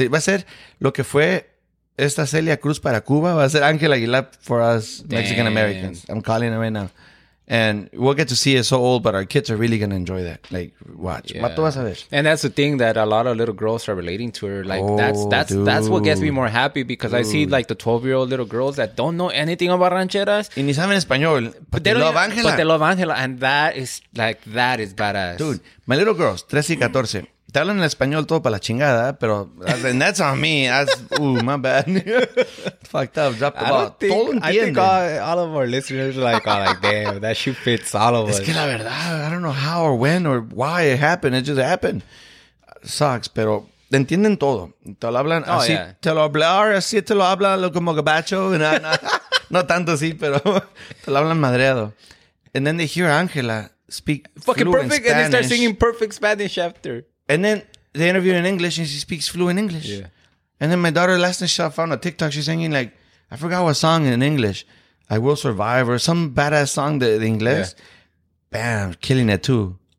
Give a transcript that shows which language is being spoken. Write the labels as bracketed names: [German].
[Spanish] Va a ser lo que fue esta Celia Cruz para Cuba. Va a ser [English] Angela Aguilar for us Mexican Americans. I'm calling it right now. And we'll get to see it so old, but our kids are really going to enjoy that. Like, watch. Yeah. [Spanish] Mato vas a ver. [English] And that's the thing that a lot of little girls are relating to her. Like, that's what gets me more happy because I see, like, the 12-year-old little girls that don't know anything about rancheras. [Spanish] Y ni saben español. [English] But they love Angela. But they love Angela. And that is, like, that is badass. Dude, my little girls, [Spanish] 13 y 14, te hablan en español todo para la chingada, pero [English] and that's on me. That's, my bad. Fucked up. Dropped the ball. I think all of our listeners are like, damn, that shit fits all of us. [Spanish] Es que la verdad, [English] I don't know how or when or why it happened. It just happened. Sucks, [Spanish] pero entienden todo. Te lo hablan así. [English] Yeah. [Spanish] Te lo hablan así, te lo hablan como gabacho. No tanto así, pero te lo hablan madreado. [English] And then they hear Angela speak fucking perfect Spanish. And they start singing perfect Spanish after. And then they interview in English and she speaks fluent English. Yeah. And then my daughter last night, she found a TikTok. She's singing like, I forgot what song in English. I Will Survive or some badass song in English. Yeah. Bam, killing it too.